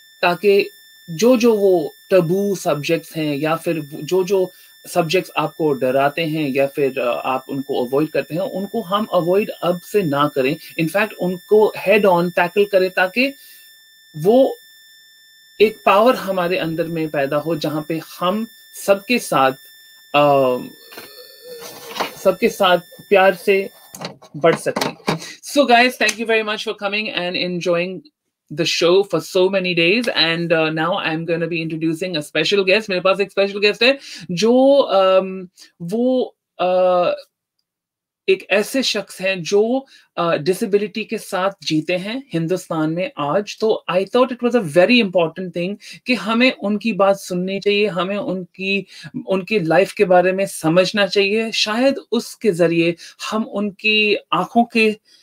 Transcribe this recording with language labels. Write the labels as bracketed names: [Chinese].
[Hindi] ताकि जो जो वो टबू सब्जेक्ट्स हैं या फिर जो जो सब्जेक्ट्स आपको डराते हैं या फिर आप उनको अवॉइड करते हैं, उनको हम अवॉइड अब से ना करें, इनफैक्ट उनको हेड ऑन टैकल करें, ताकि वो एक पावर हमारे अंदर में पैदा हो जहां पे हम सबके साथ प्यार से बढ़ सकें। [English] So guys, thank you very much for coming and enjoying the show for so many days, and now I'm going to be introducing a special guest. [Hindi] मेरे पास एक special guest है जो वो एक ऐसे शख्स हैं जो disability के साथ जीते हैं हिंदुस्तान में आज, तो [English] I thought it was a very important thing [Hindi] कि हमें उनकी बात सुननी चाहिए, हमें उनकी उनके life के बारे में समझना चाहिए, शायद उसके जरिए हम उनकी आंखों के